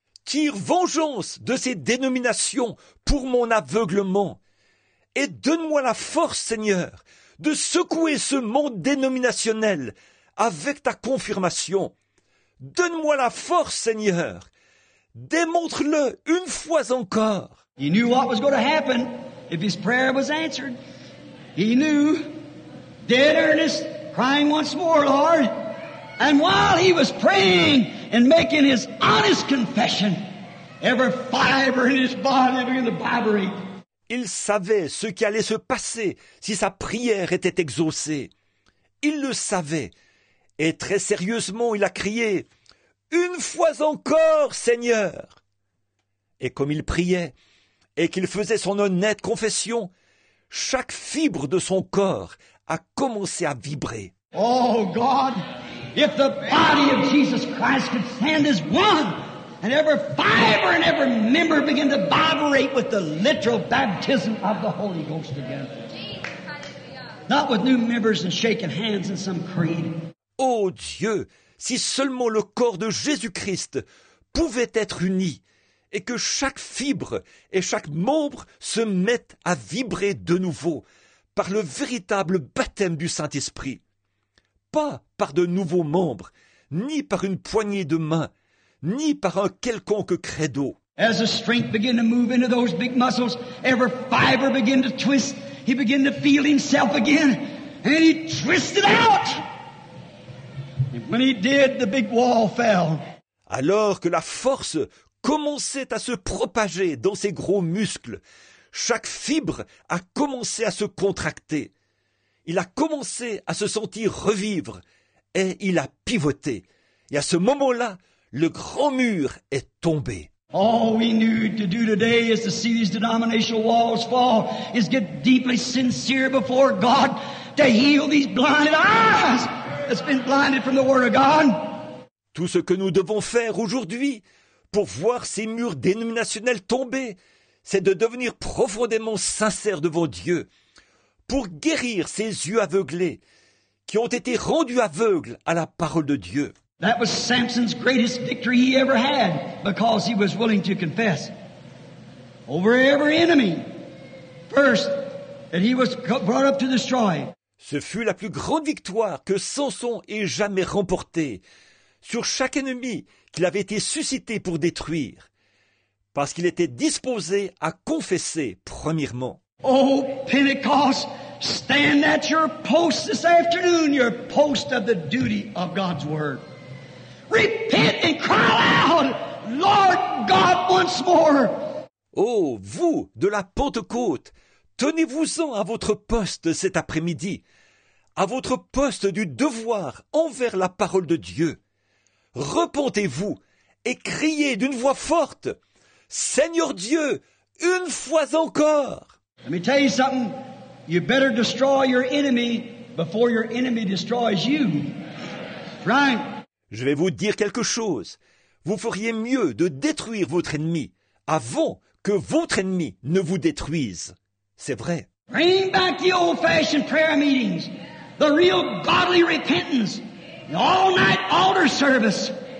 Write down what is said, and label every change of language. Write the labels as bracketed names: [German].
[French] Tire vengeance de ces dénominations pour mon aveuglement. Et donne-moi la force, Seigneur, de secouer ce monde dénominationnel avec ta confirmation. Donne-moi la force, Seigneur. Démontre-le une fois encore. [English] He knew what was going to happen if his prayer was answered. He knew, dead earnest, crying once more, Lord. And while he was praying and making his honest confession, every fiber in his body began to vibrate. [French] Il savait ce qui allait se passer si sa prière était exaucée. Il le savait. Et très sérieusement, il a crié, « Une fois encore, Seigneur !» Et comme il priait et qu'il faisait son honnête confession, chaque fibre de son corps a commencé à vibrer. [English] « Oh, God, if the body of Jesus Christ could stand as one !» And every fiber and every member begin to vibrate with the literal baptism of the Holy Ghost again. Not with new members and shaking hands in some creed. [French] Oh Dieu, si seulement le corps de Jésus-Christ pouvait être uni et que chaque fibre et chaque membre se mette à vibrer de nouveau par le véritable baptême du Saint-Esprit. Pas par de nouveaux membres, ni par une poignée de main, ni par un quelconque credo. [English] As the strength began to move into those big muscles, every fiber began to twist, he began to feel himself again, and he twisted out. And when he did, the big wall fell. [French] Alors que la force commençait à se propager dans ses gros muscles, chaque fibre a commencé à se contracter. Il a commencé à se sentir revivre, et il a pivoté. Et à ce moment-là, le grand mur est tombé. [English] All we need to do today is to see these denominational walls fall, is get deeply sincere before God to heal these blinded eyes that's been blinded from the Word of God. [French] Tout ce que nous devons faire aujourd'hui pour voir ces murs dénominationnels tomber, c'est de devenir profondément sincère devant Dieu pour guérir ces yeux aveuglés qui ont été rendus aveugles à la parole de Dieu. [English] That was Samson's greatest victory he ever had because he was willing to confess over every enemy first that he was brought up to destroy. [French] Ce fut la plus grande victoire que Samson ait jamais remportée sur chaque ennemi qu'il avait été suscité pour détruire parce qu'il était disposé à confesser premièrement. [English] Oh, Pentecost, stand at your post this afternoon, your post of the duty of God's word. Repent and cry aloud, Lord God, once more. [French] Oh, vous de la Pentecôte, tenez-vous-en à votre poste cet après-midi, à votre poste du devoir envers la parole de Dieu. Repentez-vous et criez d'une voix forte, Seigneur Dieu, une fois encore. [English] Let me tell you something. You better destroy your enemy before your enemy destroys you. Right? [French] Je vais vous dire quelque chose. Vous feriez mieux de détruire votre ennemi avant que votre ennemi ne vous détruise. C'est vrai. [English] Bring back the old-fashioned prayer meetings, the real godly repentance, the all-night altar service.